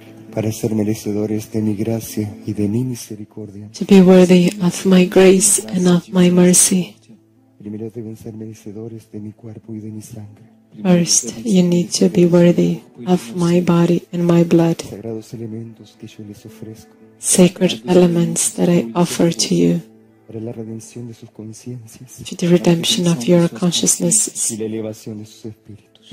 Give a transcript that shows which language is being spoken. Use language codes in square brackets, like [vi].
[es] para ser merecedores de mi gracia y de mi misericordia. [en] To be worthy of my grace and of my mercy. [es] Primero deben ser merecedores de mi cuerpo y de mi sangre. [en] First, you need to be worthy of my body and my blood. [es] Sagrados elementos que yo les ofrezco. [en] Sacred elements that I offer to you. [es] Para la redención de sus conciencias. [en] To the redemption of your consciousness. [es] Y la elevación de sus espíritus.